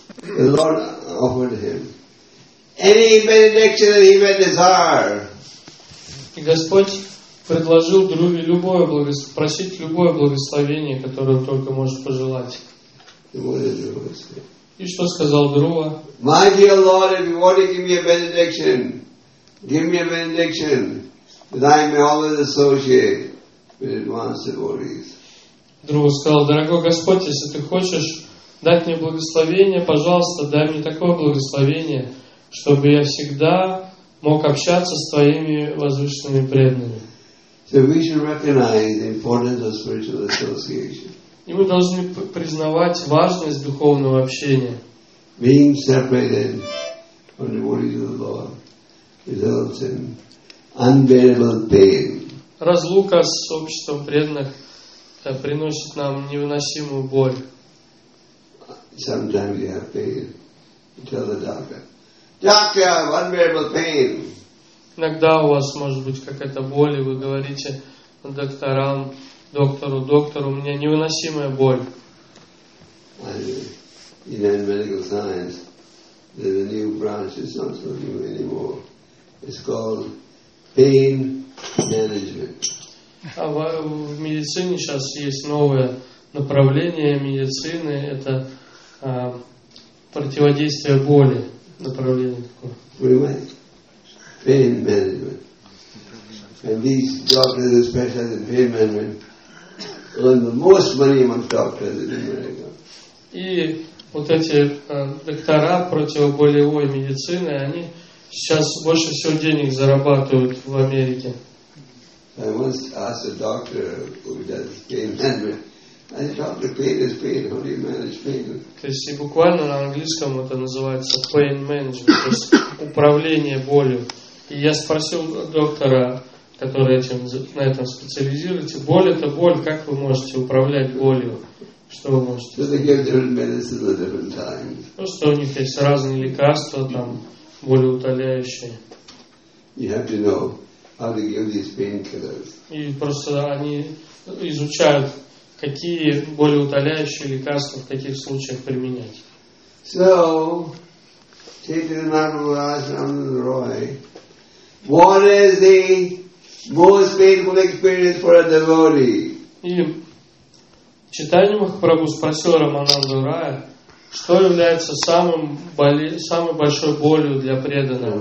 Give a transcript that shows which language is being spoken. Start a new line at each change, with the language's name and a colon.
English: The Lord offered him any benediction that he may desire.
Russian: И Господь предложил Друве любое благословение, просить любое благословение, которое он только может пожелать. И что сказал Друва?
English: My dear Lord, if you want to give me a benediction, that I may always associate with advanced devotees.
Russian: Друва сказал: дорогой Господь, если ты хочешь дать мне благословение, пожалуйста, дай мне такое благословение, чтобы я всегда мог общаться с твоими возвышенными преданными.
English: So we should recognize the importance of spiritual association.
Russian: И мы должны признавать важность духовного общения.
English: Being separated from the devotees of the Lord results in unbearable pain.
Russian: Разлука с обществом преданных приносит нам невыносимую боль.
English: Sometimes you have pain. You tell the doctor, "Doctor, I have unbearable pain."
Russian: Иногда у вас может быть какая-то боль, и вы говорите докторам, доктору, у меня невыносимая боль.
English: And in medical science, there's a new branch that's not so new anymore. It's called pain management.
Russian: А в медицине сейчас есть новое направление медицины. Это противодействие боли, направление такое.
English: Pain management. And these doctors, especially in pain management, earn the most money among doctors in America.
Russian: И вот эти доктора противоболевой медицины, они сейчас больше всего денег зарабатывают в Америке.
English: I once asked a doctor who does pain management. I thought pain is pain. How do you manage pain?
Russian: То есть и буквально на английском это называется pain management, то есть управление болью. И я спросил доктора, который на этом специализируется: боль это боль, как вы можете управлять болью? Что вы можете?
English: So they give different medicines at different times.
Russian: Ну что у них есть разные лекарства там болеутоляющие.
English: You have to know how to give these painkillers.
Russian: И просто они изучают, какие болеутоляющие лекарства в каких случаях применять.
English: So, Chaitanya Ashramdas Roy, what is the most painful experience for a devotee?
Russian: И Чайтанья Махапрабху спросил Рамананду Рая, что является самой большой болью для преданного.